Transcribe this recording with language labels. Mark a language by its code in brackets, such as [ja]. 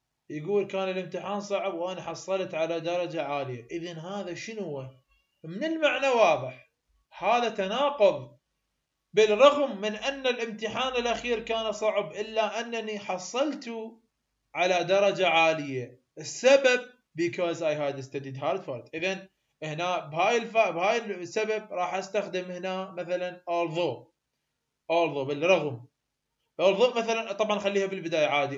[ar] يقول كان الامتحان صعب وأنا حصلت على درجة عالية. إذن هذا شنو من المعنى واضح هذا تناقض، بالرغم من أن الامتحان الأخير كان صعب إلا أنني حصلت على درجة عالية. السبب [en] because I had studied hard for it. [ar] إذن هنا بهاي السبب راح استخدم هنا مثلا although بالرغم. although مثلا طبعا خليها بالبداية عادي.